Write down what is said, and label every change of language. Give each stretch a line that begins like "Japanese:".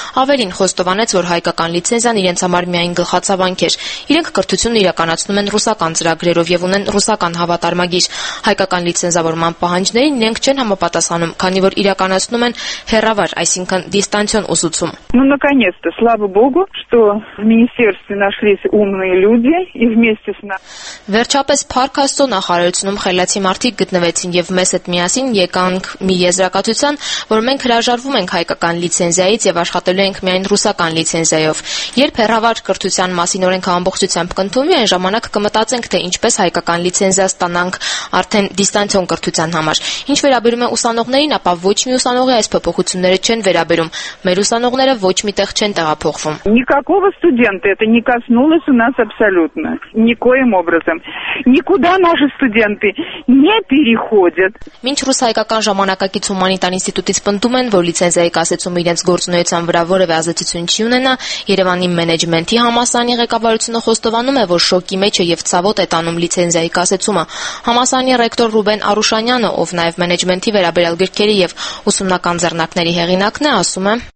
Armenian: Ավելին խոստովանեց, որ հայկական լիցենզիան իրենց համար միայն գլխացավանք էր։ Իրենք կրթությունն իրականացնում են ռուսական ծրագրերով և ունեն ռուսական հավատարմագիր։ Հայկական լիցենզավորման պահանջներին նրանք չեն համապատասխանում, քանի որ իրականացնում են հեռավար, այսինքն դիստանցիոն ուսուցում։
Russian: Ну наконец-то, слава богу, что в министерстве нашлись умные люди и вместе с нами.
Armenian: Վերջապես Փարք Աստծո նախարարությունում խելացի մարդիկ գտնվեցին և մեզ հետ միասին եկանք մի եզրակացության, որ մենք հրաժարվում ենք հայկական լիցենզիայից և աշխատելու ենք միայն ռուսական լիցենզիայով։ Երբ հեռավար կրթության մասին օրենքը ամբողջությամբ կընդունվի, այն ժամանակ կմտածենք, թե ինչպես հայկական լիցենզիա ստանանք արդեն դիստանցիոն կրթության համար։ Ինչ վերաբերում է ուսանողներին, ապա ոչ մի ուսանողի այս փոփոխությունները չեն վերաբերում։ Մեր ուսանողները ոչ մի տեղ չեն տեղափոխվում։
Russian: Никакого студента это не коснулось у нас абсолютно. Никоим образом. Никуда наши студенты не переходят.
Armenian: Մինչ ռուս-հայկական ժամանակակից հումանիտար ինստիտուտից պնդում են, որ լիցենզիայի կասեցումը իրենց գործունեության վրա որևէ ազդեցություն չի ունենա, Երևանի մենեջմենթի համասանի ղեկավարությունը խոստովանում է, որ շոկի մեջ է և ցավոտ է տանում լիցենզիայի կասեցումը։ Համասանի ռեկտոր Ռուբեն Արուշանյանը, ով նաև մենեջմենթի վերաբերյալ գրքերի և ուսումնական ձեռնարկների հեղինակն է, ասում է.